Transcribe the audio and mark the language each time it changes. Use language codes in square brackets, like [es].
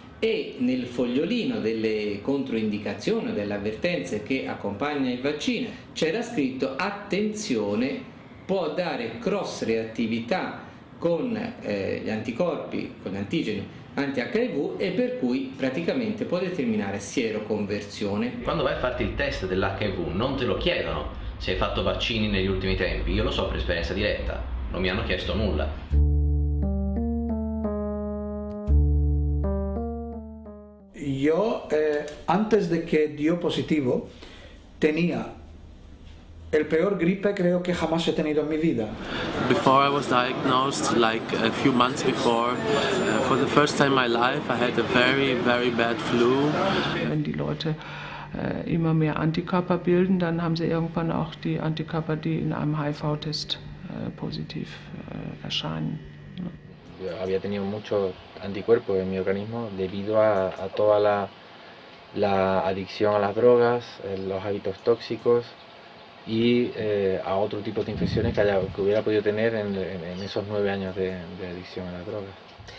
[it] E nel fogliolino delle controindicazioni, delle avvertenze che accompagna il vaccino, c'era scritto attenzione, può dare cross reattività con gli anticorpi, con gli antigeni anti-HIV e per cui praticamente può determinare sieroconversione. Quando vai a farti il test dell'HIV non te lo chiedono se hai fatto vaccini negli ultimi tempi, io lo so per esperienza diretta, non mi hanno chiesto nulla. [es] Yo, antes de que dio positivo, tenía el peor gripe creo que jamás he tenido en mi vida. [en] Before I was diagnosed, like a few months before, for the first time in my life, I had a very, very bad flu. [de] Wenn die Leute immer mehr Antikörper bilden, dann haben sie irgendwann auch die Antikörper, die in einem HIV-Test positiv erscheinen. [es] Había tenido mucho anticuerpo en mi organismo debido a toda la adicción a las drogas, los hábitos tóxicos y a otro tipo de infecciones que hubiera podido tener en esos 9 años de adicción a las drogas.